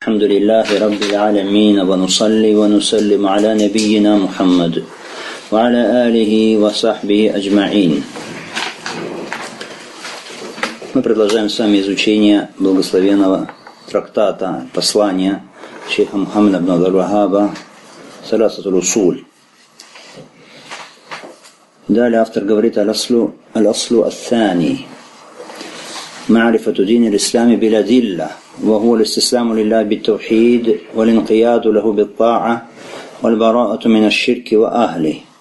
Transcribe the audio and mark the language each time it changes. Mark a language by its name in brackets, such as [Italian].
[Arabic] الحمد لله رب العالمين ونصلي ونسلم على نبينا محمد وعلى آله وصحبه أجمعين. [Russian] Мы продолжаем с вами изучение благословенного трактата, послания шейха Мухаммада ибн Абдул-Вахаба «Саласатул Усуль». Далее автор говорит [Arabic] «Аль-Аслу Ас-Сани» «Ма'рифату дин ил-Исламе биладилла» وهو الاستسلام لله بالتوحيد والانقياد له بالطاعة والبراءة من الشرك وأهله